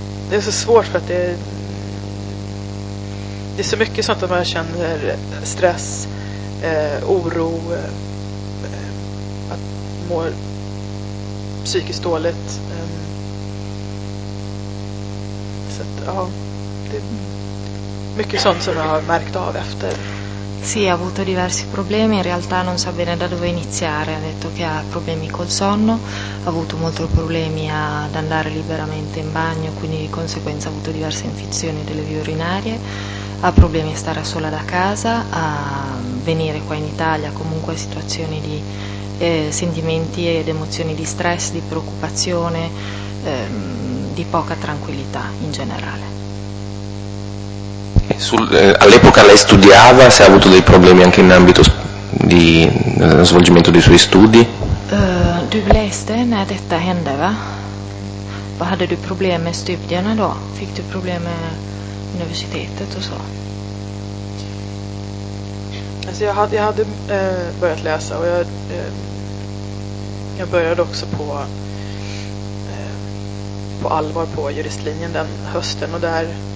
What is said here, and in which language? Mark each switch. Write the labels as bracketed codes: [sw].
[sv] Det är så svårt för att det är så mycket sånt att man känner stress, oro, att må psykiskt dåligt. Så att, ja, det är mycket sånt som jag har märkt av efter. [it] Sì, ha avuto diversi problemi, in realtà non sa bene da dove iniziare, ha detto che ha problemi col sonno, ha avuto molti problemi ad andare liberamente in bagno, quindi di conseguenza ha avuto diverse infezioni delle vie urinarie, ha problemi a stare sola da casa, a venire qua in Italia, comunque situazioni di sentimenti ed emozioni di stress, di preoccupazione, di poca tranquillità in generale. All'epoca lei studiava, se ha avuto dei problemi anche in ambito di svolgimento dei suoi studi? [sv] Du läste när detta hände, va? Vad hade du problem med studierna då? Fick du problem med universitetet och så? Alltså jag hade börjat läsa och jag började också på allvar på juristlinjen den hösten och där.